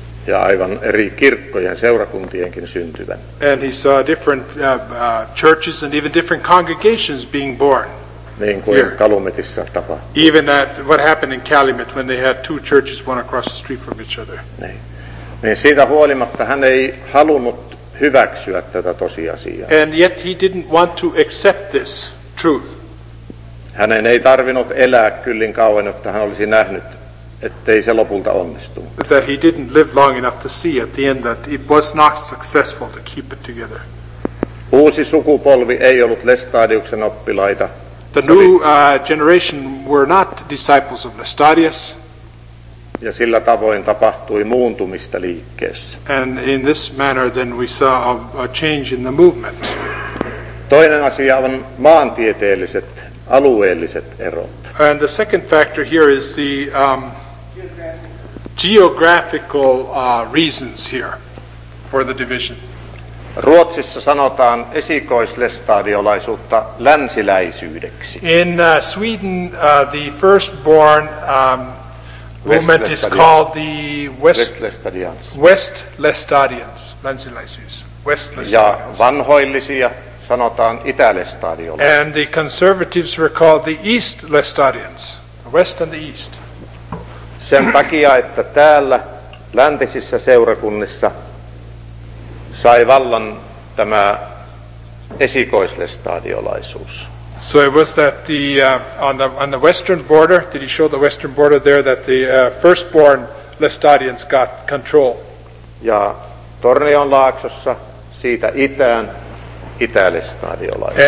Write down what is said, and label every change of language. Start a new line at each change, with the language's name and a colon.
Finnish: Ja aivan eri kirkkojen seurakuntienkin syntyvän.
English: And he saw different churches and even different congregations being born.
Finnish: Niin kuin here. Calumetissa tapahtui.
English: Even at what happened in Calumet when they had two churches, one across the street from each other.
Finnish: Niin siitä huolimatta hän ei halunnut hyväksyä tätä tosiasiaa.
English: And yet he didn't want to accept this truth.
Finnish: Hänen ei tarvinnut elää kyllin kauan, jotta hän olisi nähnyt, ettei se lopulta onnistunut.
English: That he didn't live long enough to see at the end that it was not successful to keep it together.
Finnish: Uusi sukupolvi ei ollut Lestadiuksen oppilaita.
English: The new generation were not disciples of Lestadius.
Finnish: Ja sillä tavoin tapahtui muuntumista liikkeessä.
English: And in this manner then we saw a change in the movement.
Finnish: Toinen asia on maantieteelliset, alueelliset erot.
English: And the second factor here is the geographical reasons here for the division.
Finnish: Ruotsissa sanotaan esikoislestadiolaisuutta länsiläisyydeksi.
English: In Sweden, the firstborn movement is called the West Lestadians, länsiläisyys. West Lestadians.
Finnish: Ja vanhoillisia sanotaan Itä-Lestadiolaisiksi.
English: And the conservatives were called the East Lestadians, the West and the East.
Finnish: Sen takia, että täällä läntisissä seurakunnissa sai vallan tämä esikoislestadiolaisuus.
English: So it was that the on the western border, did he show the western border there, that the firstborn Lestadians got control?
Finnish: Ja Tornionlaaksossa siitä itään Itä-Lestadiolaisuus.